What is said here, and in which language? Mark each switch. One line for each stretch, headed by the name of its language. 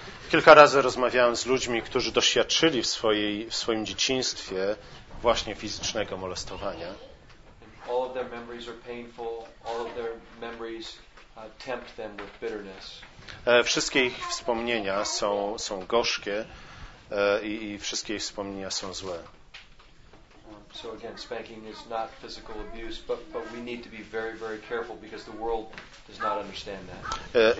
Polish: Kilka razy rozmawiałem z ludźmi, którzy doświadczyli w swoim dzieciństwie właśnie fizycznego molestowania.
English: All of their memories are painful, all of their memories tempt them with bitterness.
Polish: Wszystkie ich wspomnienia są gorzkie i wszystkie ich wspomnienia są złe.
English: So again, spanking is not physical abuse, but we need to be very, very careful because the world does not understand that.